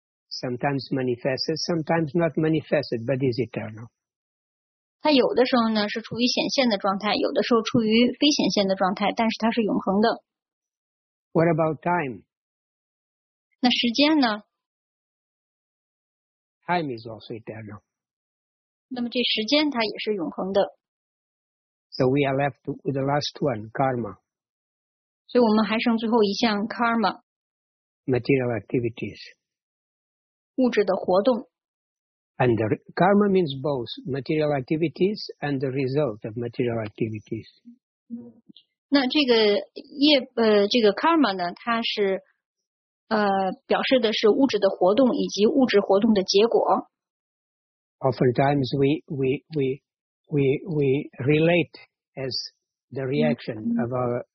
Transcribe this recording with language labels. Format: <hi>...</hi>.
<en>Sometimes manifests, sometimes not manifested, but is eternal.</en> <zh>它有的时候呢是处于显现的状态，有的时候处于非显现的状态，但是它是永恒的。</zh> <en>What about time?</en> <zh>那时间呢</zh> <en>？Time is also eternal.</en> <zh>那么这时间它也是永恒的。</zh> <en>So we are left with the last one, karma.</en> <zh>所以我们还剩最后一项 karma,</zh> <en>material activities,</en> <zh>物质的活动。</zh> <en>And the karma means both material activities and the result of material activities.</en> <zh>那这个业这个 karma 呢，它是表示的是物质的活动以及物质活动的结果。</zh> <en>Oftentimes we relate as the reaction of our.</en>